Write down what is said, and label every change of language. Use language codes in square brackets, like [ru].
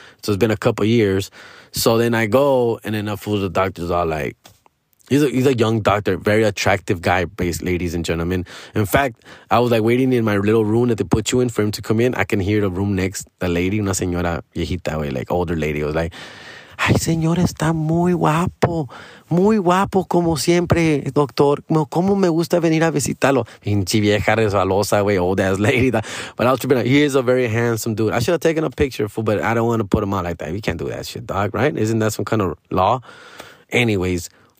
[en] So it's been a couple years. So then I go, and then the doctor's all like, He's a young doctor, very attractive guy, ladies and gentlemen. In fact, I was like waiting in my little room that they put you in for him to come in. I can hear the room next, the lady, [es] una señora viejita, [en] like older lady. I was like, [es] ay, señor, está muy guapo. Muy guapo, como siempre, doctor. Como me gusta venir a visitarlo. Pinche vieja resbalosa, güey, [en] old ass lady. [es] But I was tripping out. [en] He is a very handsome dude. I should have taken a picture, fool, but I don't want to put him out like that. We can't do that shit, dog, right? Isn't that some kind of law? Anyways.